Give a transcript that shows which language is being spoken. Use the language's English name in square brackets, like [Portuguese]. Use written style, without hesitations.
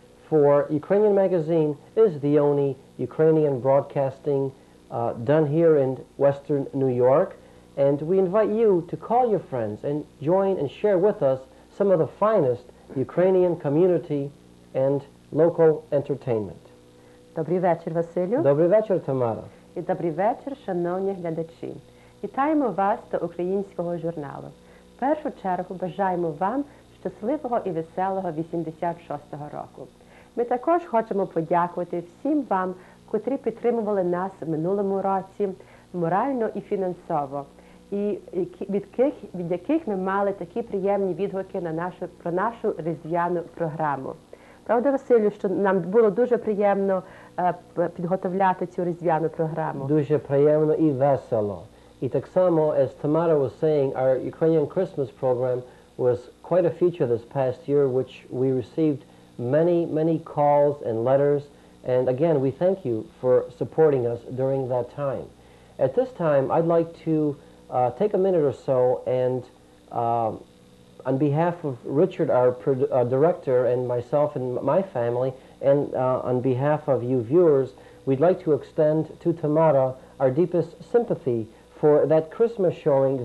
[English] For Ukrainian Magazine is the only Ukrainian broadcasting done here in Western New York, and we invite you to call your friends and join and share with us some of the finest Ukrainian community and local entertainment. [Ukrainian] Добрий вечір, Василю. Добрий вечір, Тамара. І добрий вечір, шановні глядачі. Вітаємо вас до українського журналу. В першу чергу бажаємо вам щасливого і веселого 86-го року. Ми також хочемо подякувати всім вам, котрі підтримували нас в минулому році морально і фінансово, і від яких ми мали такі приємні відгуки на нашу різдвяну програму. Правда, Василю, що нам було дуже приємно підготовляти цю різдвяну програму? Дуже приємно і весело. І так само, [English] as Tamara was saying, our Ukrainian Christmas program was quite a feature this past year, which we received many, many calls and letters. And again, we thank you for supporting us during that time. At this time, I'd like to take a minute or so and on behalf of Richard, our director, and myself and my family, and on behalf of you viewers, we'd like to extend to Tamara our deepest sympathy for that Christmas showing.